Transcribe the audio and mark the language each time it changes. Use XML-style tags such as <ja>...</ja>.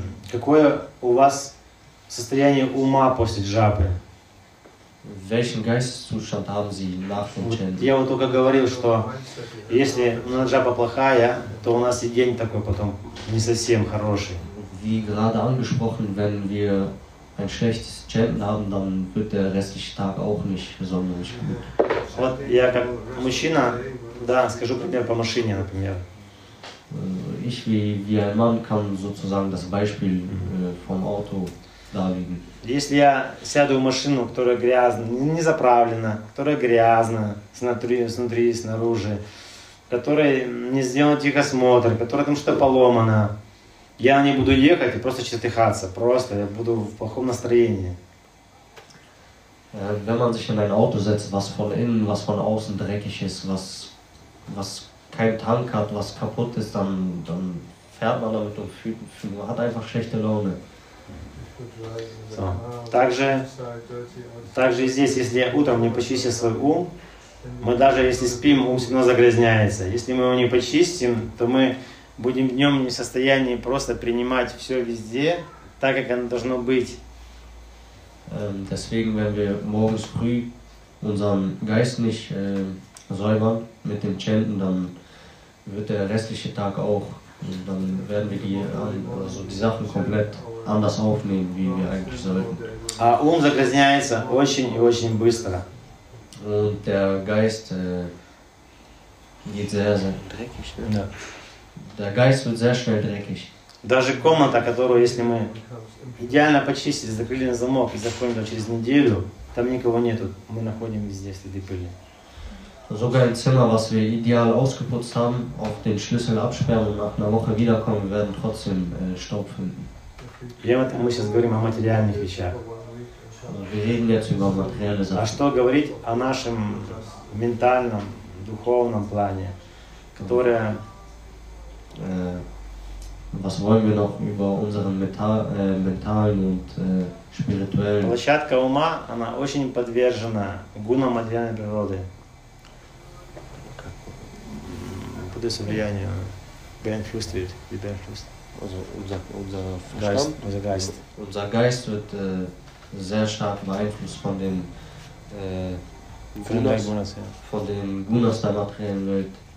<ru>Какое у вас состояние ума после Джапы?</ru> <de>Welchen Geisteszustand haben Sie nach dem Chanten?</de> <ru>Я вот только говорил, что если у нас Джапа плохая, то у нас и день такой потом не совсем хороший.</ru> <de>Wie gerade angesprochen, wenn wir ein schlechtes Chanten haben, dann wird der restliche Tag auch nicht besonders gut.</de> <ru>Вот я как мужчина, да, скажу пример по машине, например.</ru> <de>Ich wie ein Mann kann sozusagen das Beispiel vom Auto darlegen.</de> <ru>Если я сяду в машину, которая грязная, не заправлена, которая грязная снутри и снаружи, которая не сделана техосмотр, которая там что-то поломана. Я не буду ехать и просто чертыхаться, просто я буду в плохом настроении.</ru> <de>Wenn man sich in ein Auto setzt, was von innen, was von außen dreckig ist, was keinen Tank hat, was kaputt ist, dann fährt man damit und hat einfach schlechte Laune. So.</de> <ru>Также здесь, если я утром не почистил свой ум, мы даже если спим, ум все равно загрязняется. Если мы его не почистим, то мы будем днем не в состоянии просто принимать все везде, так как оно должно быть.</ru> <de>Deswegen, wenn wir morgens früh unseren Geist nicht säubern mit dem Chanten, dann wird der restliche Tag auch, dann werden wir die Sachen komplett anders aufnehmen, wie wir eigentlich sollten.</de> <ru>А ум загрязняется очень и очень быстро.</ru> <de>Und der Geist geht sehr, sehr dreckig, ne? Ja. Der Geist wird sehr schnell dreckig.</de> <ru>Даже комната, которую если мы идеально почистили, закрыли на замок и заходим туда через неделю, там никого нету, мы находим везде следы пыли.</ru> <de>Sogar ein Zimmer, was wir ideal ausgeputzt haben, auf den Schlüssel absperren und nach einer Woche wiederkommen, wir werden trotzdem Staub finden.</de> <ru>Мы сейчас говорим о материальных вещах.</ru> <de>Wir reden jetzt über materielle Sachen.</de> <ru>А что говорить о нашем ментальном, духовном плане, которое</ru> <de>Was wollen wir noch über unseren mentalen und spirituellen?</de> <ru>Площадка ума, она очень подвержена гунам материальной природы.</ru> <de>dieses влияние werden frustriert, wir werden frustriert. Also unser Geist, unser Geist. Unser Geist wird sehr stark beeinflusst von dem Gunas, von dem Gunas der materiellen Welt.</de>